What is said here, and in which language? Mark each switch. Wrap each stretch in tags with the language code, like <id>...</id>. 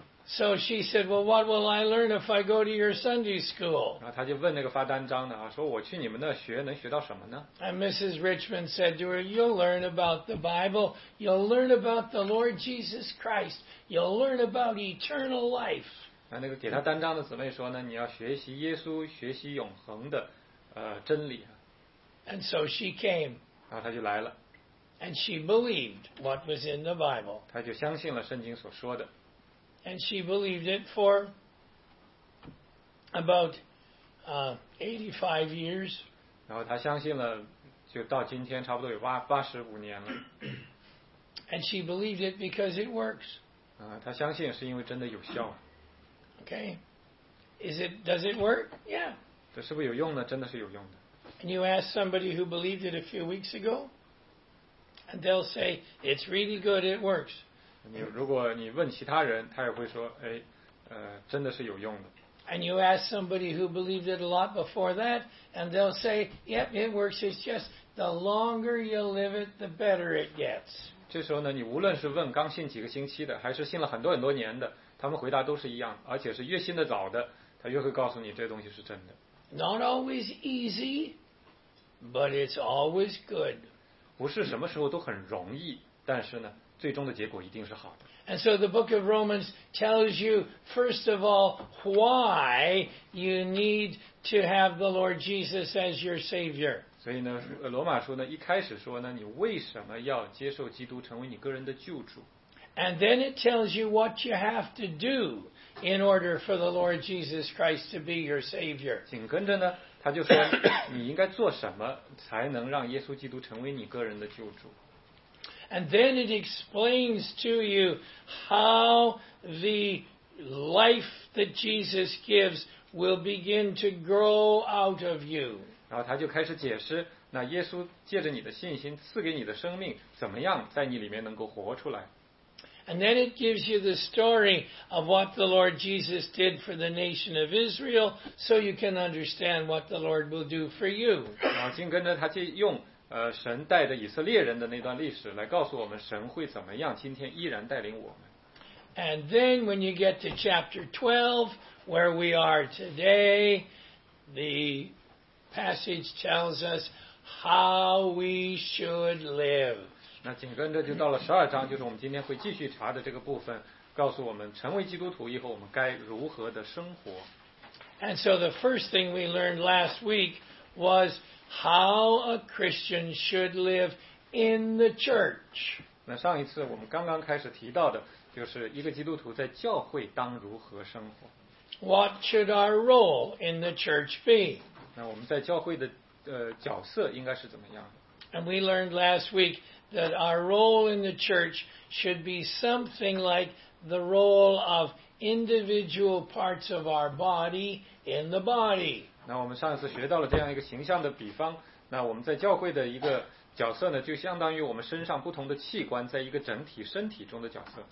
<en>So she said, well, what will I learn if I go to your Sunday school?</en> <zh>然后他就问那个发单张的啊，说我去你们那学能学到什么呢？</zh> <en>And Mrs. Richmond said to her, you'll learn about the Bible. You'll learn about the Lord Jesus Christ. You'll learn about eternal life.</en> <zh>那个给他单张的姊妹说呢，你要学习耶稣，学习永恒的真理。</zh> <en>And so she came.</en> <zh>然后他就来了。</zh> <en>And she believed what was in the Bible.</en> <zh>他就相信了圣经所说的。</zh> <en>And she believed it for about 85 years.</en> <zh>然后她相信了，就到今天差不多有85年了。</zh> <en>And she believed it because it works.</en> <zh>她相信是因为真的有效。</zh> <en>Okay. Does it work? Yeah.</en> <zh>这是不是有用呢？真的是有用的。</zh> <en>And you ask somebody who believed it a few weeks ago, and they'll say, it's really good, it works.</en> <zh>你如果你问其他人，他也会说，哎，真的是有用的。</zh> <en>And you ask somebody who believed it a lot before that, and they'll say, yep, it works. It's just the longer you live it, the better it gets.</en> <zh>这时候呢，你无论是问刚信几个星期的，还是信了很多很多年的，他们回答都是一样，而且是越信的早的，他越会告诉你这东西是真的。</zh> <en>Not always easy, but it's always good.</en> <zh>不是什么时候都很容易，但是呢。最终的结果一定是好的。</zh> <en>And so the book of Romans tells you, first of all, why you need to have the Lord Jesus as your Savior.</en> <zh>所以呢，罗马书呢，一开始说呢，你为什么要接受基督成为你个人的救主？</zh> <en>And then it tells you what you have to do in order for the Lord Jesus Christ to be your Savior.</en> <zh>紧跟着呢，他就说你应该做什么才能让耶稣基督成为你个人的救主。</zh> <en>And then it explains to you how the life that Jesus gives will begin to grow out of you.</en> <zh>然后他就开始解释，那耶稣借着你的信心赐给你的生命，怎么样在你里面能够活出来。</zh> <en>And then it gives you the story of what the Lord Jesus did for the nation of Israel, so you can understand what the Lord will do for you.</en> <zh>然后紧跟着他就用神带着以色列人的那段历史来告诉我们神会怎么样今天依然带领我们。</zh> <en>And then when you get to chapter 12, where we are today, the passage tells us how we should live.</en> <zh>那紧跟着就到了12章，就是我们今天会继续查的这个部分，告诉我们成为基督徒以后我们该如何的生活。</zh> <en>And so the first thing we learned last week was,How a Christian should live in the church.</en> <zh>那上一次我们刚刚开始提到的，就是一个基督徒在教会当如何生活。</zh> <en>What should our role in the church be?</en> <zh>那我们在教会的角色应该是怎么样的？</zh> <en>And we learned last week that our role in the church should be something like the role of individual parts of our body in the body.</en> <zh>那我们上一次学到了这样一个形象的比方，那我们在教会的一个角色呢，就相当于我们身上不同的器官在一个整体身体中的角色。</zh>